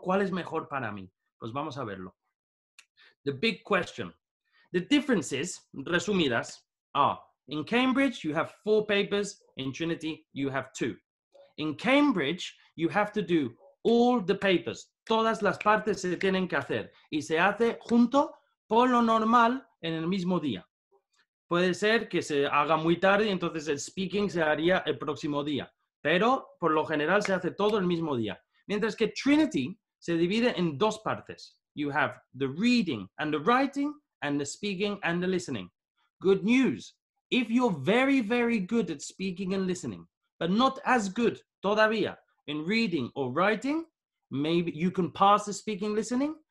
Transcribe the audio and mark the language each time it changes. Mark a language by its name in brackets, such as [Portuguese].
[Spanish] ¿Cuál es mejor para mí? Pues vamos a verlo. [English] The big question. The differences, resumidas, are in Cambridge, you have 4 papers. In Trinity, you have 2. In Cambridge, you have to do all the papers. [Spanish] Todas las partes se tienen que hacer. Y se hace junto, por lo normal, en el mismo día. Puede ser que se haga muy tarde, entonces el speaking se haría el próximo día. Pero, por lo general, se hace todo el mismo día. Mientras que Trinity se divide en 2 partes. [English] You have the reading and the writing, and the speaking and the listening. Good news. If you're very, very good at speaking and listening, but not as good todavía in reading or writing, maybe you can pass the speaking listening.